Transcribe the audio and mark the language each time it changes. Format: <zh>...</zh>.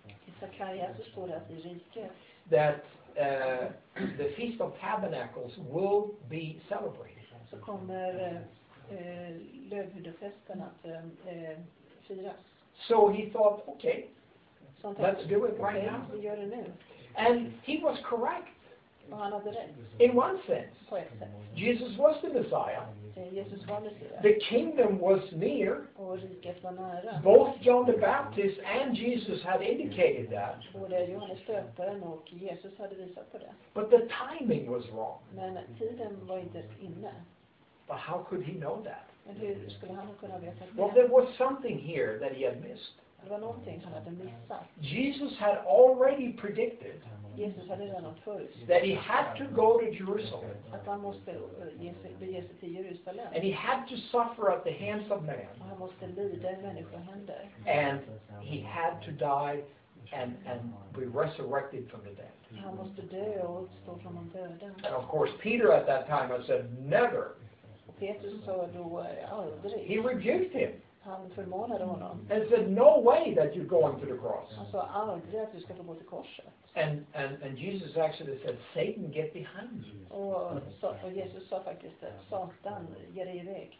<sv>I Zechariah så står det att i riket.</sv> <en>That the Feast of Tabernacles will be celebrated.</en> <sv>Så kommer lövhyddofesten att firas.</sv> <en>So he thought, okay, let's do it right okay, now.</en> <sv>Vi gör det nu.</sv> <en>And he was correct.</en> <sv>Och han hade rätt.</sv> <en>In one sense.</en> <sv>På ett sätt.</sv> <en>Jesus was the Messiah.</en> <sv>Jesus var Messias.</sv> <en>The kingdom was near.</en> <sv>Och riket var nära.</sv> <en>Both John the Baptist and Jesus had indicated that.</en> <sv>Både Johannes döparen och Jesus hade visat på det.</sv> <en>But the timing was wrong.</en> <sv>Men tiden var inte inne.</sv> <en>But how could he know that?</en> <sv>Men hur skulle han kunna veta det?</sv> <en>Well, there was something here that he had missed.</en> <sv>Det var någonting han hade missat.</sv> <en>Jesus had already predicted.</en> <sv>Jesus hade redan förutsett.</sv> <en>That he had to go to Jerusalem.</en> <sv>Att han måste bege sig till Jerusalem.</sv> <en>And he had to suffer at the hands of man.</en> <sv>Och han måste lida i människohänder.</sv> <en>And he had to die and be resurrected from the dead.</en> <sv>Han måste dö och uppstå från de döda.</sv> <en>And of course, Peter at that time has said, never.</en> <sv>Petrus sa då, aldrig.</sv> <en>He rebuked him.</en> <sv>Han förmanade honom.</sv> <en>And said, no way that you're going to the cross.</en> <sv>Han sa, aldrig att du ska gå till korset.</sv> <en>And Jesus actually said, Satan, get behind you.</en> <sv>Och Jesus sa faktiskt, Satan, ge dig iväg.</sv>